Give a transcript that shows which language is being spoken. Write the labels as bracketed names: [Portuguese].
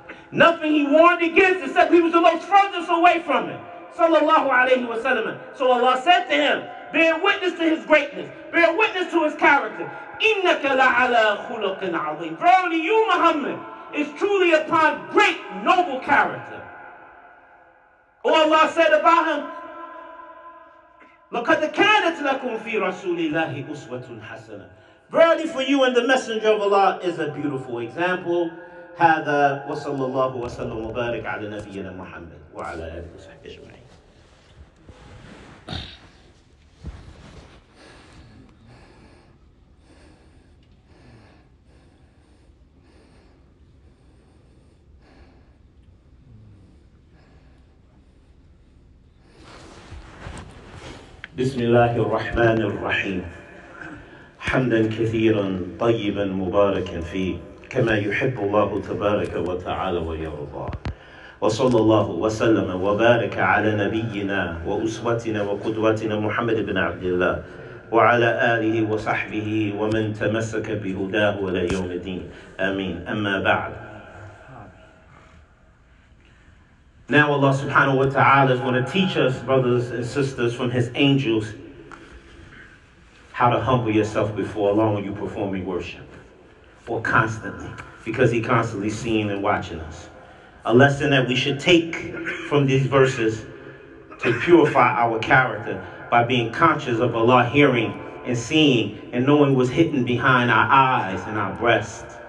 [English] Nothing he warned against, except he was the most furthest away from it. [Arabic] Sallallahu alayhi wa sallam. [English] So Allah said to him, bear witness to his greatness, bear witness to his character. [Arabic] Innaka la'ala khuluqin azim. [English] Verily, you, Muhammad, is truly upon great, noble character. Oh, Allah said about him, [Arabic] لَقَدْ كَانَتْ لَكُمْ فِي رَسُولِ اللَّهِ أُسْوَةٌ حَسَنَةٌ. [English] Verily for you and the Messenger of Allah is a beautiful example. [Arabic] هذا وصلى الله وسلم وبارك على نبينا محمد وعلى آله وصحبه أجمعين. بسم الله الرحمن الرحيم حمدا كثيرا طيبا مباركا فيه كما يحب الله تبارك وتعالى ويرضى وصلى الله وسلم وبارك على نبينا وأسوتنا وقدوتنا محمد بن عبد الله وعلى آله وصحبه ومن تمسك بهداه إلى يوم الدين آمين أما بعد. [English] Now Allah [Arabic] subhanahu wa ta'ala [English] is going to teach us, brothers and sisters, from His angels, how to humble yourself before Allah when you perform your worship. Or constantly, because He constantly seeing and watching us. A lesson that we should take from these verses to purify our character by being conscious of Allah hearing and seeing and knowing what's hidden behind our eyes and our breast.